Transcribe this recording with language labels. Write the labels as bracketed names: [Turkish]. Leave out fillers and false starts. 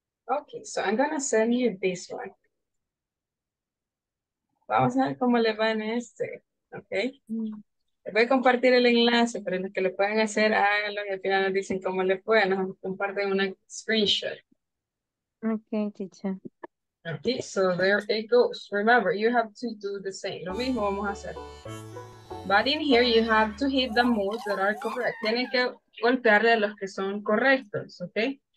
[English] Okay, so I'm gonna send you this one. [Spanish] Vamos a ver cómo le va en este, okay? Les voy a compartir el enlace, pero los que lo pueden hacer, háganlo, y al final nos dicen cómo les fue, nos comparten una screenshot. [English] Okay, teacher. Okay, so there it goes. Remember, you have to do the same. [Spanish] Lo mismo vamos a hacer. [English] But in here, you have to hit the moves that are correct. [Spanish] Tienen que golpearle a los que son correctos, okay?